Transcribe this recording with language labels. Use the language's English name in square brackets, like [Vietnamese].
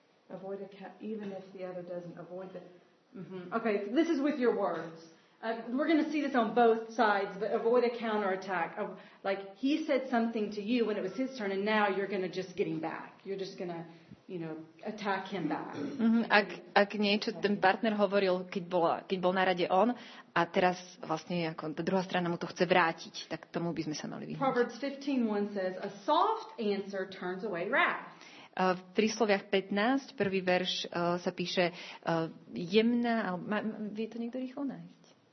[English] Avoid a even if the other doesn't avoid the Okay, this is with your words. We're going to see this on both sides, but avoid a counterattack. Like he said something to you when it was his turn and now you're going to just get him back. You're just going to, you know, attack him back. [Slovak] Ak niečo ten partner hovoril, keď bol na rade on, a teraz vlastne ako tá druhá strana mu to chce vrátiť, tak tomu by sme sa mali vyhnúť. [English] Proverbs 15:1 says a soft answer turns away wrath. [Slovak] V prísloviach 15, prvý verš sa píše jemná, vie to niekto rýchlo nájsť?